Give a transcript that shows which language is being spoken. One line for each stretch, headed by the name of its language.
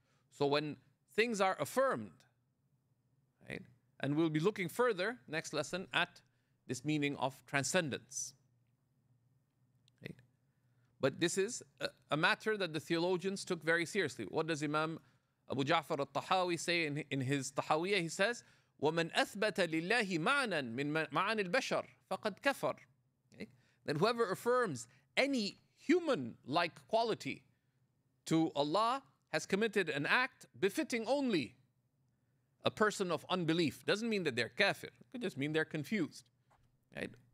English: So when things are affirmed, right, and we'll be looking further next lesson at this meaning of transcendence. Right? But this is a matter that the theologians took very seriously. What does Imam Abu Ja'far al-Tahawi say in his Tahawiyyah? He says,
Arabic: وَمَنْ أَثْبَتَ لِلَّهِ مَعْنًا مِنْ مَعَنِ الْبَشَرِ فَقَدْ كَفَرَ.
English: Then whoever affirms any human-like quality to Allah has committed an act befitting only a person of unbelief. Doesn't mean that they're kafir. It could just mean they're confused. Right?